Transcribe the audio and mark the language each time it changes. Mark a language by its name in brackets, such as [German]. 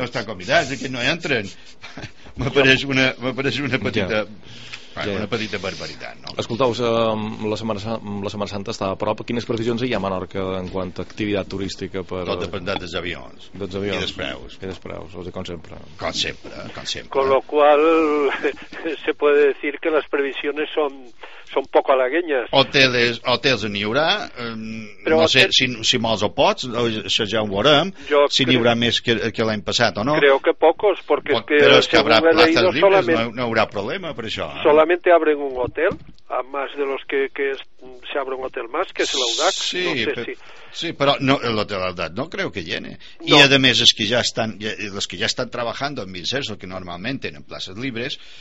[Catalan] No estan convidats, aquests no entren. M'apareix una petita una petita barbaritat, no? Escolteu, la Setmana Santa està a prop. Quines previsions hi ha a Menorca en quant a activitat turística? Tot dependrà dels avions. Dels avions. I dels preus, o sigui, com sempre. Com sempre. [Spanish] Con lo cual, se puede decir que las previsiones son poco halagüeñas. [Catalan] Hotels n'hi haurà, però no sé si molts o pocs, això ja ho veurem, n'hi haurà més que l'any passat o no. [Spanish] Creo que pocos, porque es que... [Catalan] Però és que [Spanish] habrá plazas libres, [Catalan] no haurà problema per això, eh? [Spanish] Solamente abren un hotel, a más de los que se abre un hotel más, que es el Audax. Sí, no sé, [Catalan] però l'hotel Audax [Spanish] no creo que llene. No. [Catalan] I, a més, els que ja estan, los que ja estan trabajando en Vincenzo, que normalment tenen places libres...